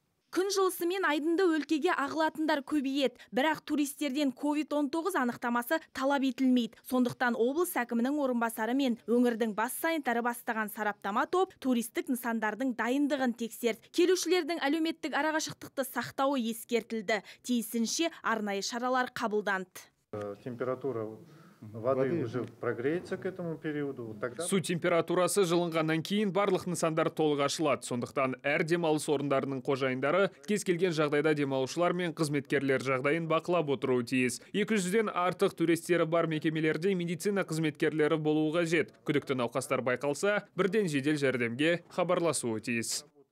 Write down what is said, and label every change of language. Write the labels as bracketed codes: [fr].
[kk] Күн жылысымен Айдынды өлкеге ағылатындар көбейет, бірақ туристерден COVID-19 анықтамасы талап етілмейді. Сондықтан облыс әкімінің орынбасары мен өңірдің бас санитары бастаған сараптама топ туристік нысандардың дайындығын тексерді. Келушілердің әлеуметтік арақашықтықты сақтауы ескертілді. Тиісінше арнайы шаралар қабылданды. [ru] Температура воды уже прогреется к этому периоду. [kk] Су температурасы жылынғаннан кейін барлық нысандар толық ашылады. Сондықтан әр демалыс орындарының қожайындары кез келген жағдайда демалушылар мен қызметкерлер жағдайын бақылап отыруы тиіс. 200-ден артық туристері бар мекемелерде медицина қызметкерлері болуы қажет. Күдікті науқастар байқалса, бірден жедел жәрдемге хабарласуы тиіс.